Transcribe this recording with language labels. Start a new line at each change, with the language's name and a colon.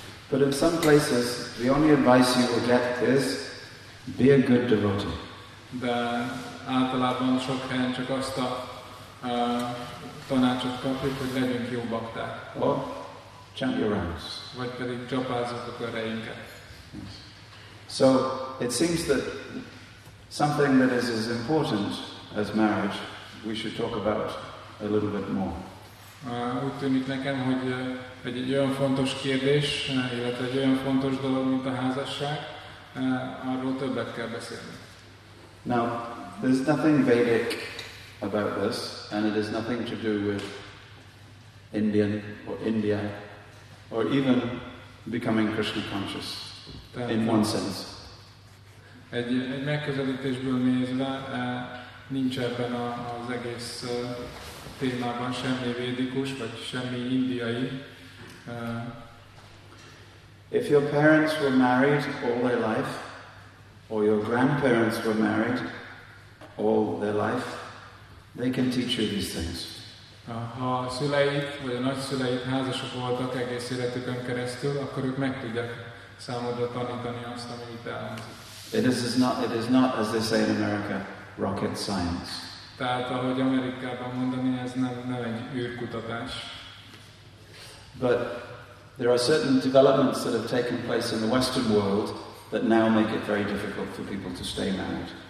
English: But in some places, the only advice you will get is, be a good devotee.
Hungarian: De általában sok helyen csak azt a tanácsot kapjuk, hogy legyünk jó bakták.
English: Or chant your rounds.
Hungarian: Vagy pedig csapázzuk a köreinket.
English: Yes. So it seems that something that is as important as marriage, we should talk about a little bit more.
Hungarian: Úgy tűnik nekem, hogy egy olyan fontos kérdés, illetve egy olyan fontos dolog, mint a házasság, arról többet kell beszélni.
English: Now, there's nothing Vedic about this, and it has nothing to do with Indian or India, or even becoming Krishna conscious, in one sense.
Hungarian: Egy megközelítésből nézve nincs ebben az egész témában semmi védikus, vagy semmi indiai.
English: If your parents were married all their life, or your grandparents were married all their life, they can teach you these things.
Hungarian: Ha a szüleid, vagy a nagyszüleid házasok voltak egész életükön keresztül, akkor ők meg tudják számodra tanítani azt, ami itt elhangzik.
English: It is not, as they say in America, rocket science.
Hungarian: Tehát, ahogy Amerikában mondani, ez nem egy űrkutatás.
English: But there are certain developments that have taken place in the Western world that now make it very difficult for people to stay married.